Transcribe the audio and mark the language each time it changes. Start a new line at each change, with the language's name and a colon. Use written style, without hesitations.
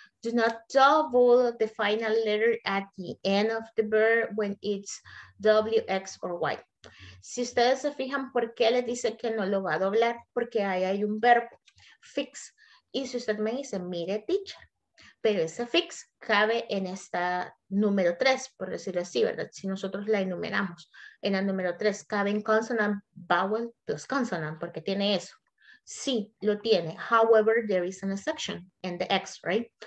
English: Do not double the final letter at the end of the verb when it's W, X, or Y.
Spanish: Si ustedes se fijan, ¿por qué les dice que no lo va a doblar? Porque ahí hay un verbo, fix. Y si usted me dice, mire, teacher, pero ese fix cabe en esta número 3, por decirlo así, ¿verdad? Si nosotros la enumeramos en la número 3, cabe en consonant, vowel, plus consonant, porque tiene eso. Sí, lo tiene.
English: However, there is an exception in the X, right?